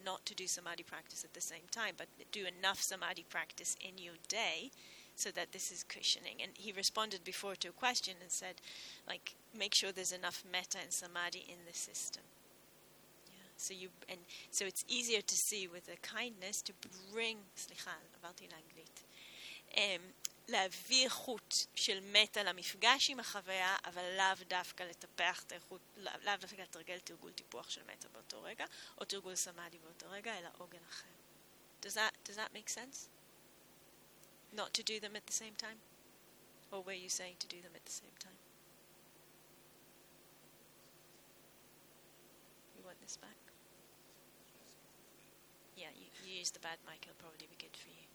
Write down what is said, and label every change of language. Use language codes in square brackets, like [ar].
[en] Not to do samadhi practice at the same time, but do enough samadhi practice in your day so that this is cushioning. And he responded before to a question and said, like, make sure there's enough metta and samadhi in the system. Yeah. So it's easier to see with the kindness to bring... [he] סליחה, עברתי לאנגלית. להביא איכות של מטה למפגש עם החוויה, אבל לאו דווקא לטפח את האיכות, לאו דווקא לתרגל תרגול טיפוח של מטה באותו רגע, או תרגול סמאדי באותו רגע, אלא עוגן אחר. [en] Does that make sense? Not to do them at the same time? Or where you say to do them at the same time? You want this back? Yeah, you use the bad mic, it'll probably be good for you.